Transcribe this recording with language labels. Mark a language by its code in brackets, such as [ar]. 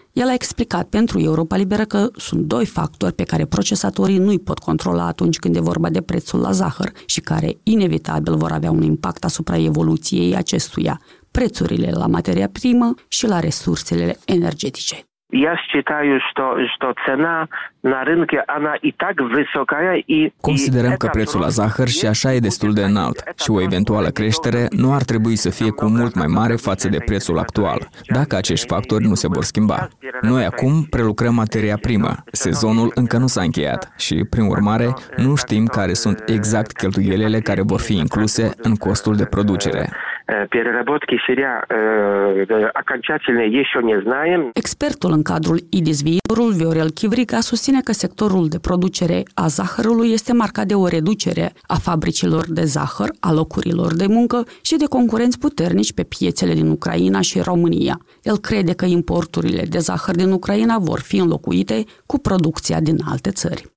[ro] El a explicat pentru Europa Liberă că sunt doi factori pe care procesatorii nu-i pot controla atunci când e vorba de prețul la zahăr și care inevitabil vor avea un impact asupra evoluției acestuia, prețurile la materia primă și la resursele energetice. [ru] Я считаю, что, что цена на рынке, она и так высокая, и [ro] considerăm că prețul la zahăr și așa e destul de înalt și o eventuală creștere nu ar trebui să fie cu mult mai mare față de prețul actual, dacă acești factori nu se vor schimba. Noi acum prelucrăm materia primă, sezonul încă nu s-a încheiat și, prin urmare, nu știm care sunt exact cheltuielile care vor fi incluse în costul de producere. [ru] Переработки сырья окончательно еще не знаем. [ro] Expertul în cadrul IDIS Viitorul, Viorel Chivrica, susține că sectorul de producere a zahărului este marcat de o reducere a fabricilor de zahăr, a locurilor de muncă și de concurenți puternici pe piețele din Ucraina și România. El crede că importurile de zahăr din Ucraina vor fi înlocuite cu producția din alte țări.